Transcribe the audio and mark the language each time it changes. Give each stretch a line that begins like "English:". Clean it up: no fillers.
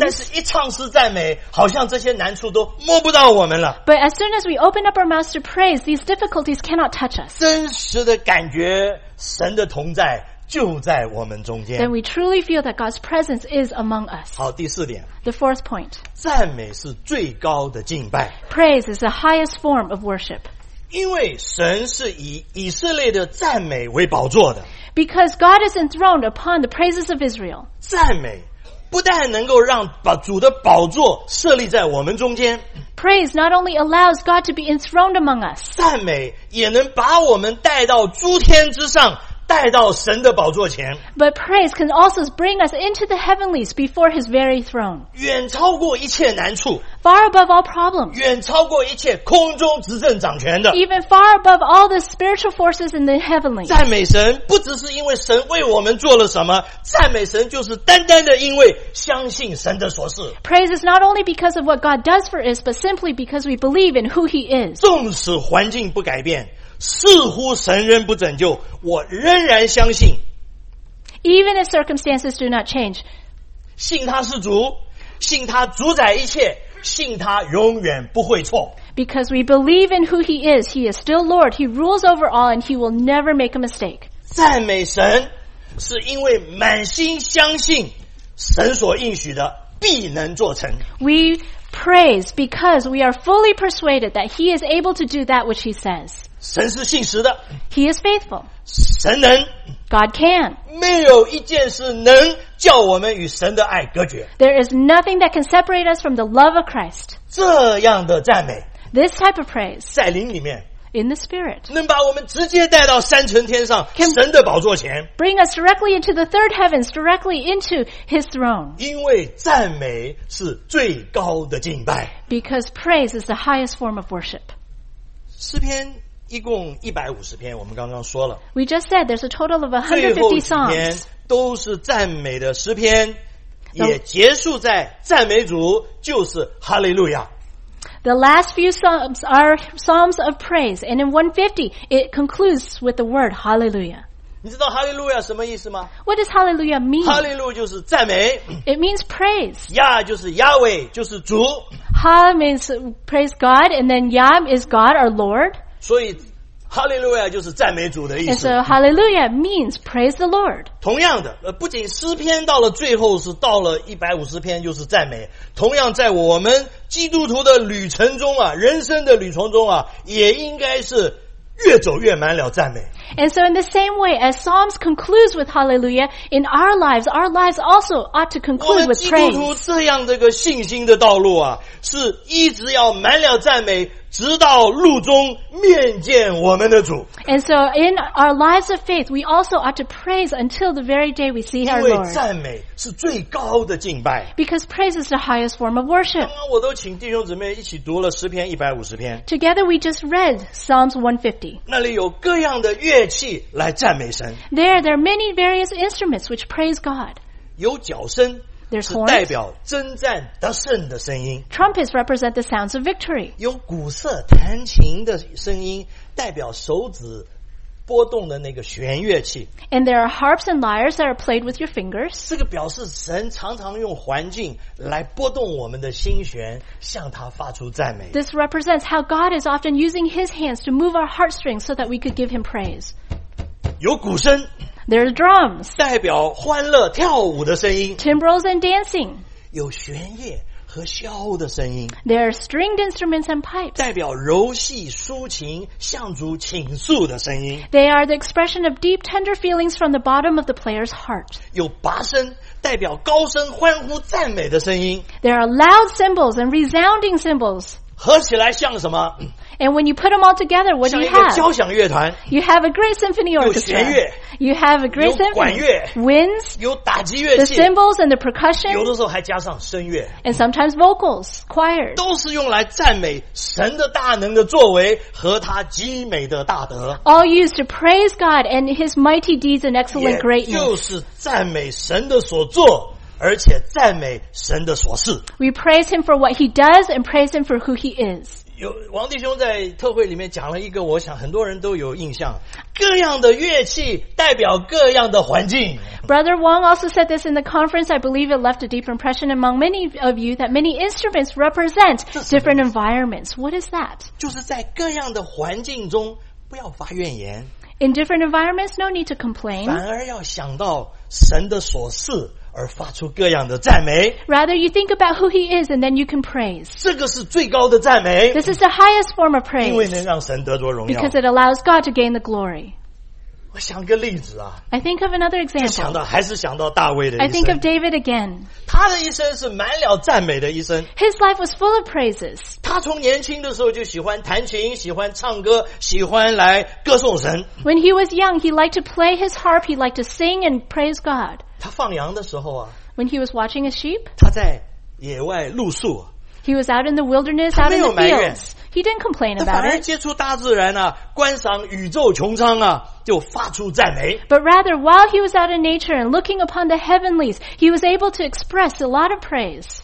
Chinese: 但是一唱诗赞美好像这些难处都摸不到我们了。
English: But as soon as we open up our mouths to praise, these difficulties cannot touch us.
Chinese: 真实的感觉神的同在就在我们中间。
English: Then we truly feel that God's presence is among us.
Chinese: 好第四点。
English: The fourth point.
Chinese: 赞美是最高的敬拜。
English: Praise is the highest form of worship.
Chinese: 因为神是以以色列的赞美为宝座的。
English: Because God is enthroned upon the praises of Israel.
Chinese: 赞美不但能够让主的宝座设立在我们中间。
English: Praise not only allows God to be enthroned among us.
Chinese: 赞美也能把我们带到诸天之上带到神的宝座前。
English: But praise can also bring us into the heavenlies before his very throne.
Chinese: 远超过一切难处。
English: Far above all problems.
Chinese: 远超过一切空中执政掌权的。
English: Even far above all the spiritual forces in the heavenlies.
Chinese: 赞美神不只是因为神为我们做了什么赞美神就是单单的因为相信神的所事。
English: Praise is not only because of what God does for us, but simply because we believe in who he is.
Chinese: 纵使环境不改变。似乎神仍不拯救，我仍然相信。
English: Even if circumstances do not change,
Chinese: 信他是主，信他主宰一切，信他永远不会错。
English: Because we believe in who he is still Lord, he rules over all, and he will never make a mistake.
Chinese: 赞美神，是因为满心相信神所应许的必能做成。
English: We praise because we are fully persuaded that he is able to do that which he says.
Chinese: 神是信实的
English: He is faithful
Chinese: 神能
English: God can
Chinese: 没有一件事能叫我们与神的爱隔绝
English: There is nothing that can separate us from the love of Christ
Chinese: 这样的赞美
English: This type of praise
Chinese: 在灵里面
English: In the spirit
Chinese: 能把我们直接带到三层天上神的宝座前
English: Bring us directly into the third heavens directly into his throne
Chinese: 因为赞美是最高的敬拜
English: Because praise is the highest form of worship
Chinese: 诗篇一共150篇我们刚刚说了
English: We just said there's a total of 150 songs
Chinese: 最后几篇都是赞美的诗篇也结束在赞美主就是哈利路亚
English: The last few psalms are psalms of praise and in 150 it concludes with the word hallelujah
Chinese: 你知道哈利路亚什么意思吗
English: What does hallelujah mean?
Chinese: 哈利路就是赞美
English: It means praise
Chinese: 亚就是亚伟就是主
English: Ha means praise God and then Yah is God our Lord
Chinese: 所以 Hallelujah 就是赞美主的意思。
English: And so Hallelujah means praise the Lord.
Chinese: 同样的，不仅诗篇到了最后是到了150篇就是赞美，同样在我们基督徒的旅程中啊，人生的旅程中啊，也应该是越走越满了赞美。
English: And so in the same way as Psalms concludes with Hallelujah, in our lives also ought to conclude with praise.
Chinese: 我们基督徒这样这个信心的道路啊，是一直要满了赞美，直到路中面见我们的主。
English: And so in our lives of faith, we also ought to praise until the very day we see our Lord.
Chinese: 因为赞美是最高的敬拜。
English: Because praise is the highest form of worship.
Chinese: 刚刚我都请弟兄姊妹一起读了诗篇150篇。
English: Together we just read Psalms 150.
Chinese: 那里有各样的乐器来赞美神。
English: There are many various instruments which praise God.
Chinese: 有角声。
English: There's
Chinese: horns. 是代表征战得胜的声音。
English: Trumpets represent the sounds of victory.
Chinese: 有鼓瑟弹琴的声音，代表手指拨动的那个弦乐器。
English: And there are harps and lyres that are played with your fingers.
Chinese: 这个表示神常常用环境来拨动我们的心弦，向他发出赞美。
English: This represents how God is often using His hands to move our heartstrings so that we could give Him praise.
Chinese: 有鼓声。
English: There are drums.
Chinese: 代表欢乐跳舞的声音。
English: Timbrels and dancing.
Chinese: 有弦乐和箫的声音。
English: There are stringed instruments and pipes.
Chinese: 代表柔细抒情向主倾诉的声音。
English: They are the expression of deep tender feelings from the bottom of the player's heart.
Chinese: 有拔声代表高声欢呼赞美的声音。
English: There are loud cymbals and resounding cymbals.
Chinese: 合起来像什么？
English: And when you put them all together, what do you have?
Chinese: 交响乐团。
English: You have a great symphony orchestra.
Chinese: 有弦乐。
English: You have a great symphony.
Chinese: 有管乐。
English: Winds.
Chinese: 有打击乐器。
English: The cymbals and the percussion.
Chinese: 有的时候还加上声乐。
English: And sometimes vocals, choirs.
Chinese: 都是用来赞美神的大能的作为和他极美的大德。
English: All used to praise God and His mighty deeds and excellent greatness.
Chinese: 也就是赞美神的所作。而且赞美神的所事。
English: We praise Him for what He does and praise Him for who He is.
Chinese: 有王弟兄在特会里面讲了一个，我想很多人都有印象。各样的乐器代表各样的环境。
English: Brother Wong also said this in the conference. I believe it left a deep impression among many of you that many instruments represent different environments. What is that?
Chinese: 就是在各样的环境中，不要发怨言。
English: In different environments, no need to complain.
Chinese: 反而要想到神的所事。而发出各样的赞美。
English: Rather, you think about who He is, and then you can praise.
Chinese: 这个是最高的赞美。
English: This is the highest form of praise.
Chinese: 因为能让神得着荣耀。
English: Because it allows God to gain the glory.
Chinese: 我想个例子啊。
English: I think of another example.
Chinese: 想到还是想到大卫的一生。
English: I think of David again.
Chinese: 他的一生是满了赞美的一生。
English: His life was full of praises.
Chinese: 他从年轻的时候就喜欢弹琴，喜欢唱歌，喜欢来歌颂神。
English: When he was young, he liked to play his harp. He liked to sing and praise God.
Chinese: 他放羊的时候啊
English: ，When he was watching his sheep，
Chinese: 他在野外露宿。
English: He was out in the wilderness, out in the fields. He didn't complain about it.
Chinese: 他反而接触大自然啊，观赏宇宙穹苍啊，就发出赞美。
English: But rather, while he was out in nature and looking upon the heavenlies, he was able to express a lot of praise.